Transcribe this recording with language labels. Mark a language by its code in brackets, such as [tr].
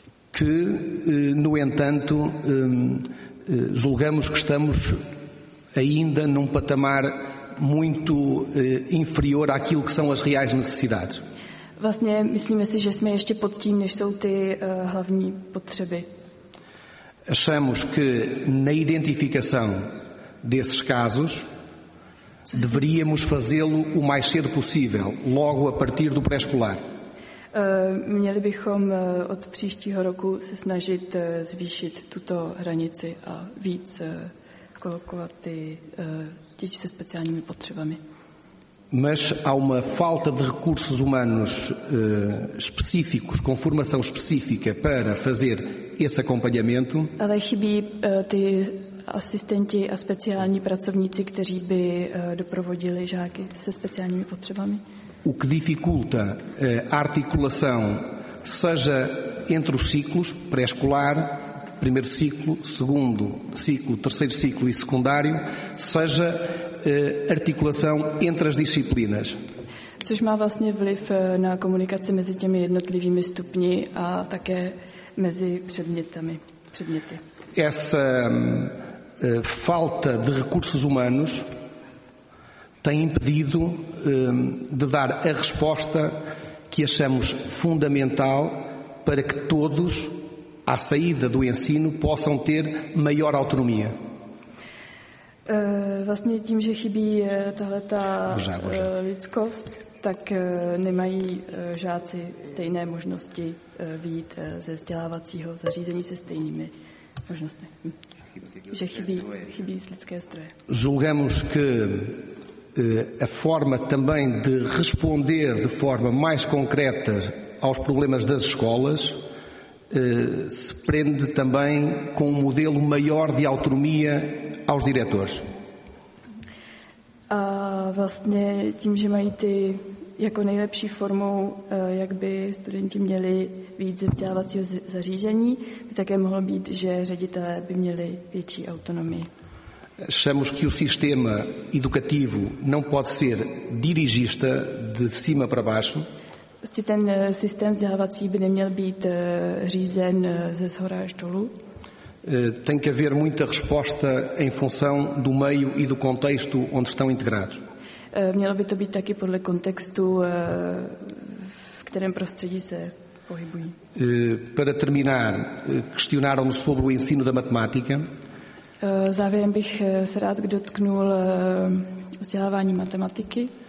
[pt] Que, no entanto, julgamos que estamos ainda num patamar muito inferior àquilo que são as reais necessidades. [cs] Vlastně myslíme si, že jsme ještě pod tím, než jsou ty hlavní potřeby. [pt] Achamos que na identificação desses casos deveríamos fazê-lo o mais cedo possível, logo a partir do pré-escolar. [cs] Měli bychom od příštího roku se snažit zvýšit tuto hranici a víc kolokovat ty děti se speciálními potřebami. [pt] Mas há uma falta de recursos humanos específicos, com formação específica para fazer esse acompanhamento. [cs] Ale chybí ty asistenti a speciální pracovníci, kteří by doprovodili žáky se speciálními potřebami. [pt] O que dificulta a articulação, seja entre os ciclos pré-escolar, primeiro ciclo, segundo ciclo, terceiro ciclo e secundário, seja articulação entre as disciplinas. [cs] Což má vlastně vliv na komunikaci mezi těmi jednotlivými stupni a také mezi předměty. [pt] Essa falta de recursos humanos tem impedido de dar a resposta que achamos fundamental para que todos, à saída do ensino, possam ter maior autonomia. [cs] Vlastně tím, že chybí tahleta lidskost, tak nemají žáci stejné možnosti vyjít ze vzdělávacího zařízení se stejnými možnostmi. Že chybí z lidské stroje. [pt] Julgamos que a forma também de responder de forma mais concreta aos problemas das escolas se prende também com um modelo maior de autonomia aos diretores. [cs] A vlastně tím, že mají ty jako nejlepší formou, jak by studenti měli víc vzdělávacího zařízení, by také mohlo být, že ředitelé by měli větší autonomii. [pt] Achamos que o sistema educativo não pode ser dirigista de cima para baixo. [cs] Prostě ten systém vzdělávací by neměl být řízen ze zhora až dolů. [pt] Tem que haver muita resposta em função do meio e do contexto onde estão integrados. [cs] Mělo by to být taky podle kontextu, v kterém prostředí se pohybují. [pt] Para terminar, questionaram-nos sobre o ensino da matemática. [cs] Závěrem bych se rád dotknul vzdělávání matematiky.